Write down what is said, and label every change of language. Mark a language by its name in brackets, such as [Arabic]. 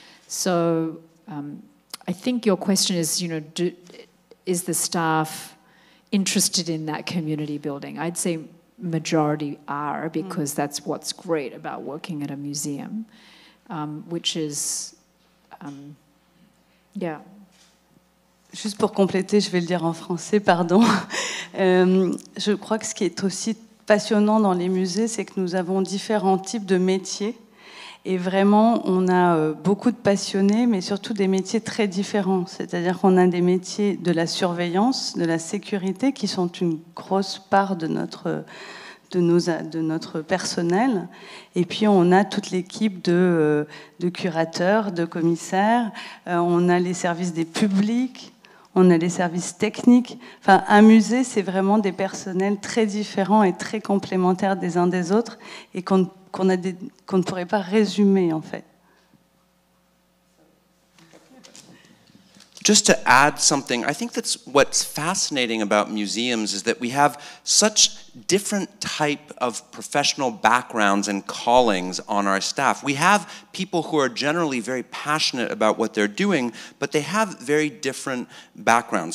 [English] So I think your question is, you know, is the staff interested in that community building? I'd say majority are, because that's what's great about working at a museum, which is, yeah. [French] Juste pour compléter, je vais le dire en français, pardon. Je crois que ce qui est aussi passionnant dans les musées, c'est que nous avons différents types de métiers. Et vraiment, on a beaucoup de passionnés, mais surtout des métiers très différents. C'est-à-dire qu'on a des métiers de la surveillance, de la sécurité, qui sont une grosse part de notre personnel. Et puis on a toute l'équipe de curateurs, de commissaires. On a les services des publics. On a les services techniques. Enfin, un musée, c'est vraiment des personnels très différents et très complémentaires des uns des autres et qu'on ne pourrait pas résumer, en fait. [English] Just to add something, I think that's what's fascinating about museums is that we have such different type of professional backgrounds and callings on our staff. We have people who are generally very passionate about what they're doing, but they have very different backgrounds.